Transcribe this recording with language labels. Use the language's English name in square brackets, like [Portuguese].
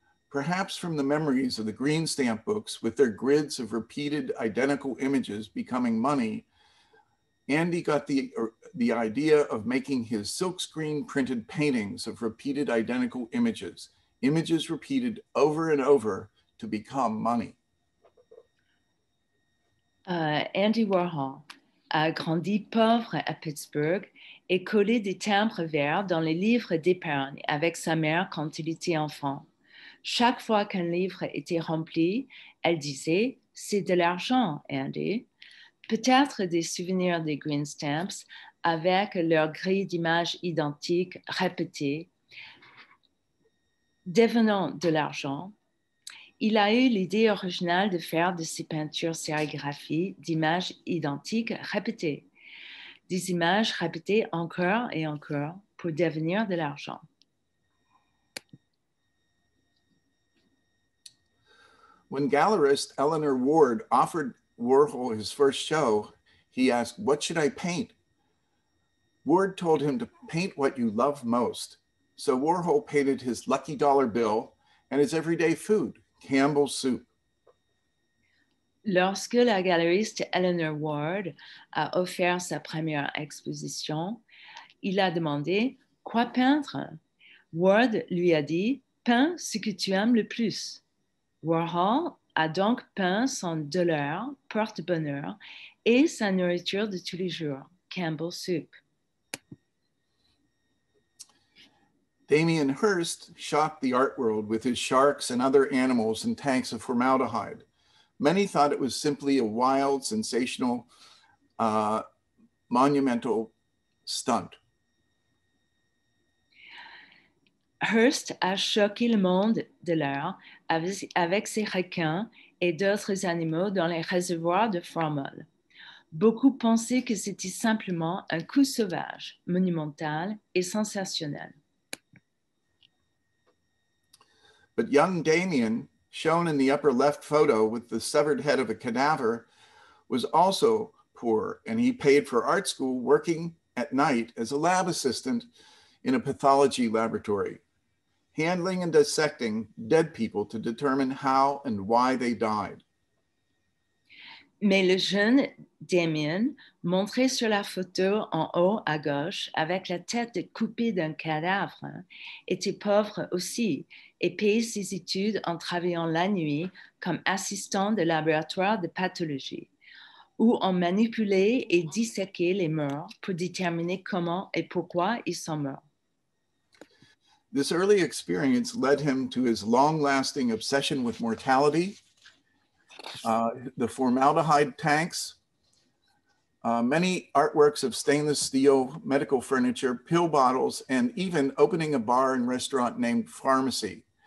[English] Perhaps from the memories of the green stamp books with their grids of repeated identical images becoming money, Andy got the idea of making his silkscreen printed paintings of repeated identical images, images repeated over and over to become money. [French] Andy Warhol a grandi pauvre à Pittsburgh et collé des timbres verts dans les livres d'épargne avec sa mère quand il était enfant. Chaque fois qu'un livre était rempli, elle disait, « C'est de l'argent, Andy. » Peut-être des souvenirs des [English] green stamps [French] avec leur grille d'images identiques répétées, devenant de l'argent. Il a eu l'idée originale de faire de ces peintures sérigraphiées d'images identiques répétées, des images répétées encore et encore pour devenir de l'argent. [English] When gallerist Eleanor Ward offered Warhol his first show, he asked, "What should I paint?" Ward told him to paint what you love most. So Warhol painted his lucky dollar bill and his everyday food, Campbell's soup. [French] Lorsque la galeriste Eleanor Ward a offert sa première exposition, il a demandé, "Quoi peindre?" Ward lui a dit, "Peins ce que tu aimes le plus." Warhol a donc peint son dollar, porte-bonheur, et sa nourriture de tous les jours, Campbell's soup. [English] Damien Hirst shocked the art world with his sharks and other animals in tanks of formaldehyde. Many thought it was simply a wild, sensational, monumental stunt. [French] Hirst a choqué le monde de l'art avec ses requins et d'autres animaux dans les réservoirs de formol. Beaucoup pensaient que c'était simplement un coup sauvage, monumental et sensationnel. [English] But young Damien, shown in the upper left photo with the severed head of a cadaver, was also poor and he paid for art school working at night as a lab assistant in a pathology laboratory, handling and dissecting dead people to determine how and why they died. [French] Mais le jeune Damien, montré sur la photo en haut à gauche, avec la tête coupée d'un cadavre, était pauvre aussi et payait ses études en travaillant la nuit comme assistant de laboratoire de pathologie, où on manipulait et disséquait les morts pour déterminer comment et pourquoi ils sont morts. [English] This early experience led him to his long-lasting obsession with mortality, the formaldehyde tanks, many artworks of stainless steel, medical furniture, pill bottles, and even opening a bar and restaurant named Pharmacy.